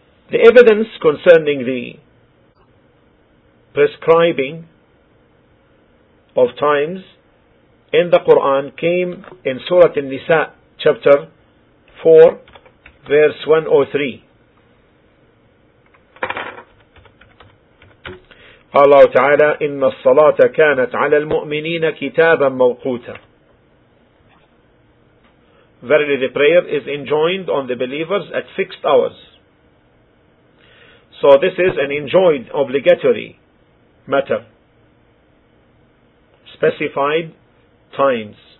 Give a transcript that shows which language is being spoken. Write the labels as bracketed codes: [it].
[en] The evidence concerning the prescribing of times in the Quran came in Surah An-Nisa, chapter 4, verse 103. [ar] قال الله تعالى إن الصلاة كانت على المؤمنين كتابا موقوتا. [en] Verily the prayer is enjoined on the believers at fixed hours. So this is an enjoined obligatory matter, specified times.